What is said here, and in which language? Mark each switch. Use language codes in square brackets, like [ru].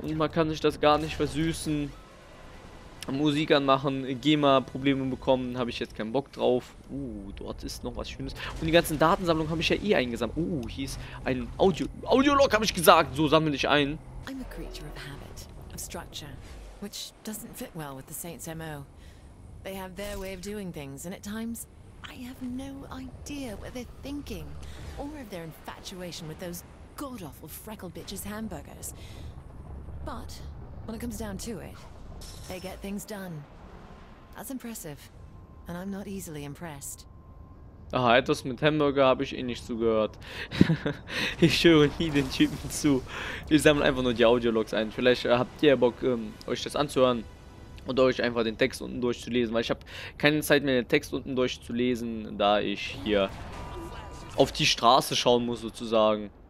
[de] Und man kann sich das gar nicht versüßen. Musik anmachen, GEMA-Probleme bekommen, habe ich jetzt keinen Bock drauf. Dort ist noch was Schönes. Und die ganzen Datensammlungen habe ich ja eh eingesammelt. Hier ist ein Audio-Log, habe ich gesagt. So, sammle ich ein. [en] I'm a creature of habit, of structure, which doesn't fit well with the Saints MO. They have their way of doing things, and at times I have no idea what they're thinking, or of their infatuation with those god-awful freckled bitches hamburgers. But when it comes down to it, they get things done. That's impressive. And I'm not easily impressed. [de] Aha, etwas mit Hamburger habe ich eh nicht zugehört. Ich höre nie den Typen zu. Ich sammle einfach nur die Audiologs ein. Vielleicht habt ihr Bock, euch das anzuhören und euch einfach den Text unten durchzulesen. Weil ich habe keine Zeit mehr, den Text unten durchzulesen, da ich hier auf die Straße schauen muss, sozusagen.